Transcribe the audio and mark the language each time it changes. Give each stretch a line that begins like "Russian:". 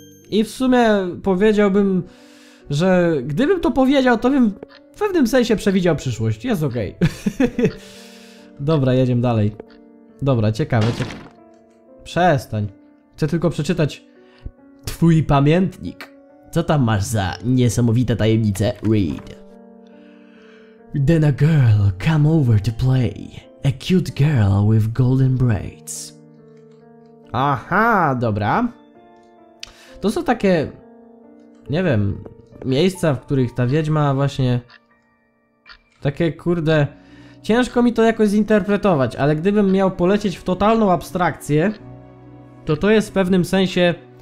Polish: I w sumie powiedziałbym, że gdybym to powiedział, to bym w pewnym sensie przewidział przyszłość. Jest okej. Okay. Dobra, jedziemy dalej. Dobra, ciekawe, Przestań. Chcę tylko przeczytać twój pamiętnik. Co tam masz za niesamowite tajemnice? Read.
English: Then a girl come over to play. A cute girl with golden braids.
Polish: Aha, dobra. To są takie, nie wiem, miejsca, w których ta wiedźma właśnie... Takie, kurde, ciężko mi to jakoś zinterpretować, ale gdybym miał polecieć w totalną abstrakcję, to jest w pewnym sensie...